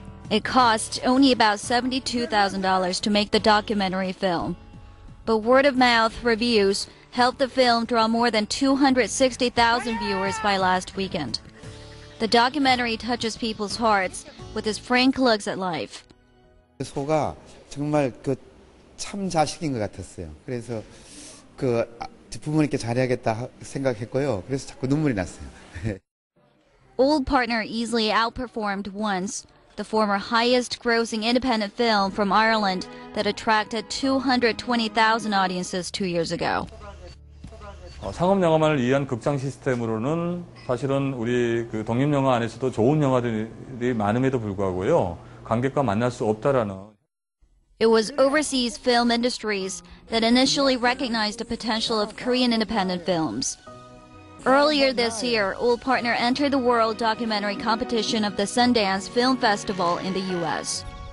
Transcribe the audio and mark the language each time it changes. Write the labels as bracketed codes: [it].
[en] It cost only about $72,000 to make the documentary film. But word-of-mouth reviews helped the film draw more than 260,000 viewers by last weekend. The documentary touches people's hearts with his frank looks at life. [ko] 소가 정말 그 참 자식인 것 같았어요. 그래서 그 부모님께 잘해야겠다 생각했고요. 그래서 자꾸 눈물이 났어요. [en] Old Partner easily outperformed Once, the former highest-grossing independent film from Ireland that attracted 220,000 audiences 2 years ago. [ko] 상업 영화만을 위한 극장 시스템으로는 사실은 우리 그 독립 영화 안에서도 좋은 영화들이 많음에도 불구하고요 관객과 만날 수 없다라는. [en] It was overseas film industries that initially recognized the potential of Korean independent films. Earlier this year, Old Partner entered the World Documentary Competition of the Sundance Film Festival in the U.S.